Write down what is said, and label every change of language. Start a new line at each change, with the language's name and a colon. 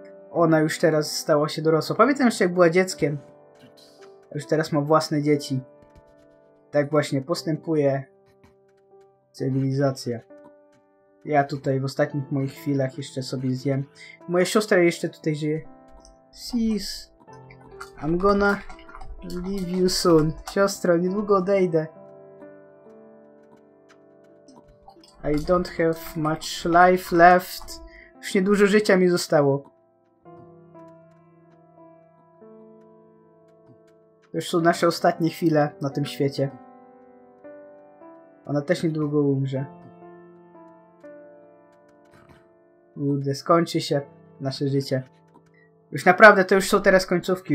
Polish: Ona już teraz stała się dorosła. Pamiętam jeszcze jak była dzieckiem. Już teraz ma własne dzieci. Tak właśnie postępuje cywilizacja. Ja tutaj w ostatnich moich chwilach jeszcze sobie zjem. Moja siostra jeszcze tutaj żyje.
English: Sis, I'm gonna leave you soon.
Polish: Siostro, niedługo odejdę.
English: I don't have much life left.
Polish: Już niedużo życia mi zostało. Już są nasze ostatnie chwile na tym świecie. Ona też niedługo umrze. Kurde, skończy się nasze życie. Już naprawdę, to już są teraz końcówki.